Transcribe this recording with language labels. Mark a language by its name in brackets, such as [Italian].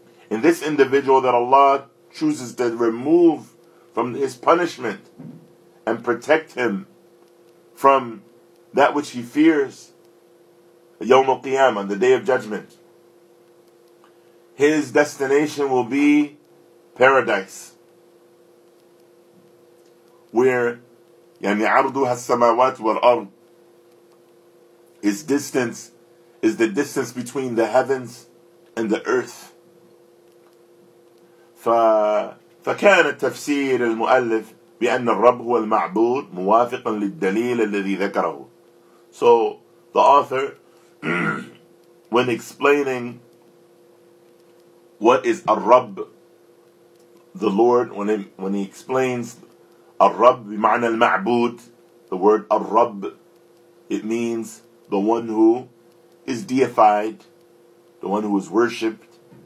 [English] And this individual that Allah chooses to remove from his punishment and protect him from that which he fears, يوم القيامة, the Day of Judgment, his destination will be paradise, where [Arabic] يعني عرضها السماوات والأرض [English] is the distance between the heavens and the earth. [Arabic] فكان تفسير المؤلف بأن الرب هو المعبود موافقا للدليل الذي ذكره. [English] So the author, when explaining what is الرب, the Lord, when he explains [Arabic] الرب بمعنى المعبود, [English] the word الرب, it means the one who is deified, the one who is worshipped.